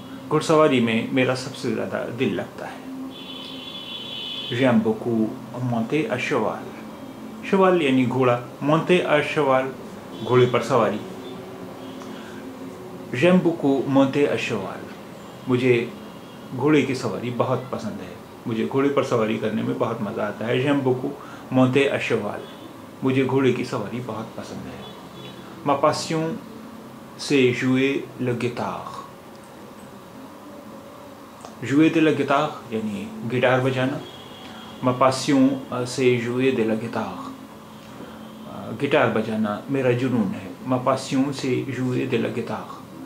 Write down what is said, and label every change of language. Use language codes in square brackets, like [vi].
[hi] Ghursawari mein mera sabse zyada dil lagta hai. [fr] J'aime beaucoup monter à cheval. [hi] Cheval, yani ghoda. [fr] Monter à cheval, [hi] ghode par sawari. [fr] J'aime beaucoup monter à cheval. [hi] मुझे घोड़े की सवारी बहुत पसंद है. मुझे घोड़े पर सवारी करने में बहुत मजा आता है. [fr] J'aime beaucoup monter à cheval. [hi] मुझे घोड़े की सवारी बहुत पसंद है. [fr] Ma passion c'est jouer le guitare. Jouer de la guitare [hi] yani guitar bajana. [fr] Ma passion c'est jouer de la guitare. [hi] Guitar bajana mera junoon hai. [fr] Ma passion c'est jouer de la guitare.